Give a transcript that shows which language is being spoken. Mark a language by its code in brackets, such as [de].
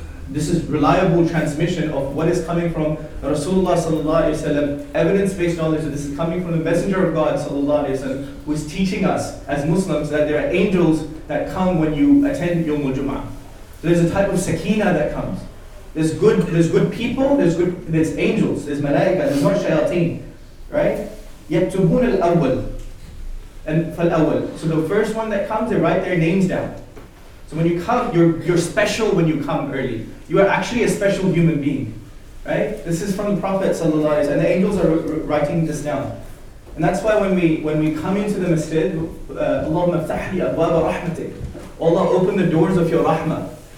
[en] This is reliable transmission of what is coming from Rasulullah sallallahu alayhi wa sallam, evidence-based knowledge that this is coming from the Messenger of God sallallahu alayhi wa sallam, who is teaching us as Muslims that there are angels that come when you attend Yawm al-Jum'ah. So there's a type of sakina that comes. There's good people, there's angels, there's malaika, there's not shayateen, right? [ar] يَكْتُبُونَ الْأَوَّلِ and فَالْأَوَّلِ. [en] So the first one that comes, they write their names down. So when you come, you're special when you come early. You are actually a special human being, right? This is from the Prophet ﷺ, and the angels are writing this down. And that's why when we come into the masjid, [ar] اللهم افتح لي أبواب رحمتك, [en] Allah, open the doors of your rahmah.